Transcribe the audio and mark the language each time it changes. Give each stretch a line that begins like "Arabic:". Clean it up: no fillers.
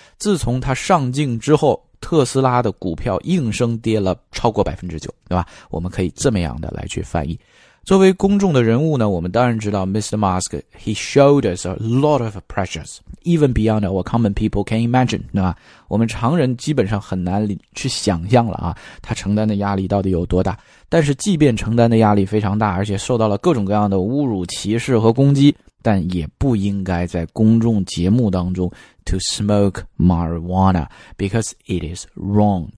Chinese: 自从他上镜之后，特斯拉的股票应声跌了超过 9%， 对吧？我们可以这么样的来去翻译。作为公众的人物呢，我们当然知道 Mr.
English: Musk, he showed us a lot of pressures, even beyond what common people can imagine,
Chinese: 对吧？我们常人基本上很难去想象了啊，他承担的压力到底有多大。但是即便承担的压力非常大，而且受到了各种各样的侮辱、歧视和攻击，但也不应该在公众节目当中
English: to smoke marijuana, because it is wrong.